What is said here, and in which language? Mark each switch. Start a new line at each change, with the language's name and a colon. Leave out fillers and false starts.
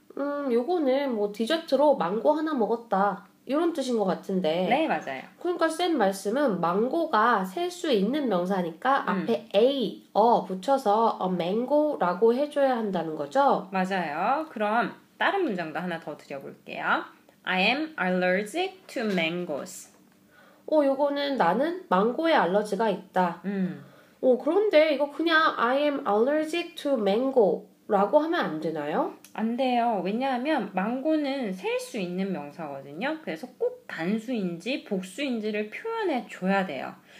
Korean: 요거는 뭐 디저트로 망고 하나 먹었다 이런 뜻인 것 같은데. 네, 맞아요. 그러니까 쌤 말씀은 망고가 셀 수 있는 명사니까 앞에 붙여서 a mango 라고 해줘야 한다는 거죠? 맞아요. 그럼 다른 문장도 하나 더 드려볼게요.
English: I am allergic to mangoes.
Korean: 요거는 나는 망고에 알러지가 있다. 그런데 이거 그냥
English: I am allergic to mango
Korean: 라고 하면 안 되나요? 안 돼요. 왜냐하면 망고는 셀 수 있는 명사거든요. 그래서 꼭 단수인지 복수인지를 표현해 줘야 돼요.